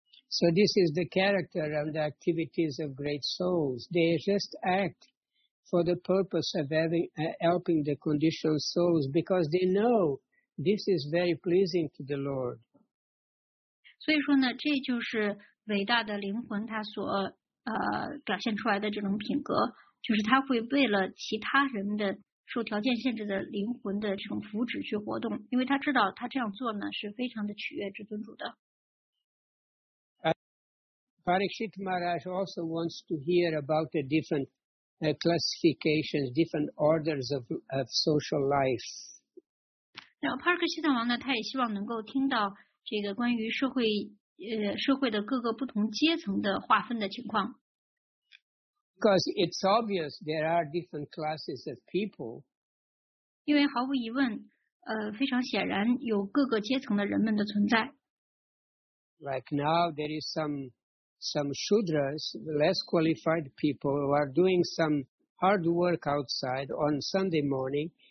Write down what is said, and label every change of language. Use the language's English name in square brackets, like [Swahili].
[English] So this is the character and the activities of great souls. They just act for the purpose of helping the conditioned souls because they know. This is very pleasing to the Lord. [Chinese] 所以说呢，这就是伟大的灵魂他所表现出来的这种品格，就是他会为了其他人的受条件限制的灵魂的这种福祉去活动，因为他知道他这样做呢是非常的取悦至尊主的。 [English] Parikshit Maharaj also wants to hear about the different classifications, different orders of social life. [Chinese] 然后帕尔克希特王呢，他也希望能够听到这个关于社会的各个不同阶层的划分的情况。 [English] Because it's obvious there are different classes of people. [Chinese] 因为毫无疑问，非常显然有各个阶层的人们的存在。 [English] Like now there is some shudras, less qualified people who are doing some hard work outside on Sunday morning.